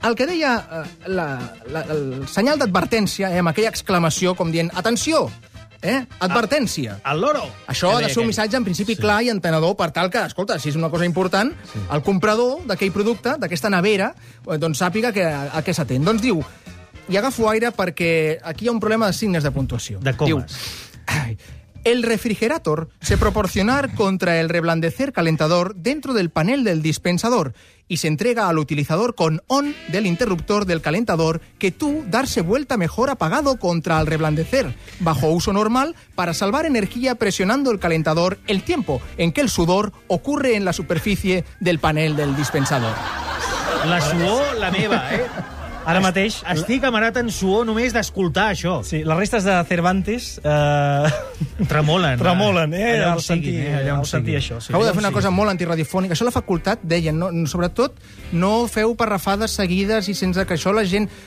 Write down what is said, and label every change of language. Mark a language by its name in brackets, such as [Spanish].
[Catalan] El que deia el senyal d'advertència, amb aquella exclamació com dient «Atenció!», advertència. El loro. Això ha de ser un missatge, en principi, clar i entenedor, per tal que, escolta, si és una cosa important, el comprador d'aquell producte, d'aquesta nevera, doncs sàpiga a què s'atén. Doncs diu, i agafo aire perquè aquí hi ha un problema de signes de puntuació. [Spanish] De comas. [Catalan] Diu, [Spanish] el refrigerator se proporcionar contra el reblandecer calentador dentro del panel del dispensador y se entrega al utilizador con on del interruptor del calentador que tú darse vuelta mejor apagado contra el reblandecer bajo uso normal para salvar energía presionando el calentador el tiempo en que el sudor ocurre en la superficie del panel del dispensador. [Catalan] La suor, la meva, eh? Ara mateix... Estic amarat en suor només d'escoltar això. Sí, les restes de Cervantes... Tremolen. Tremolen, allà on siguin. Acabo de fer una cosa molt antiradiofònica. Això a la facultat, deien, no, sobretot, no feu parrafades seguides i sense que això la gent...